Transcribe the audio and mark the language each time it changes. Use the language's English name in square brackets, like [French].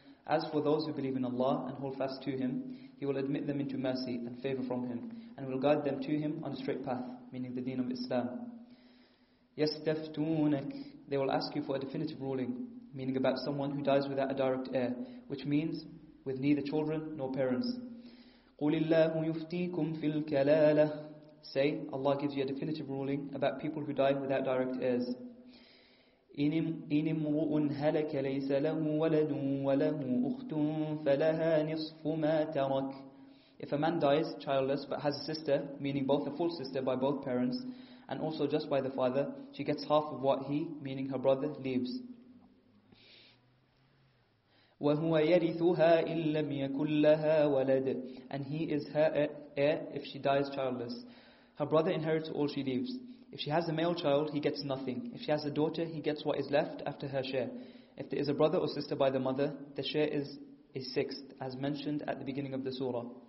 [English] As for those who believe in Allah and hold fast to Him, He will admit them into mercy and favor from Him, and will guide them to Him on a straight path, meaning the deen of Islam. [Arabic] يستفتونك. [English] They will ask you for a definitive ruling, meaning about someone who dies without a direct heir, which means with neither children nor parents. [Arabic] قل الله يفتيكم في الكلالة. [English] Say, Allah gives you a definitive ruling about people who die without direct heirs. [Arabic] إن امرؤ هلك ليس له ولد وله أخت فلها نصف ما ترك. [English] If a man dies childless but has a sister, meaning both a full sister by both parents and also just by the father, she gets half of what he, meaning her brother, leaves. [Arabic] وهو يرثها إن لم يكن لها ولد. [English] And he is her heir if she dies childless. Her brother inherits all she leaves. If she has a male child, he gets nothing. If she has a daughter, he gets what is left after her share. If there is a brother or sister by the mother, the share is a sixth, as mentioned at the beginning of the surah.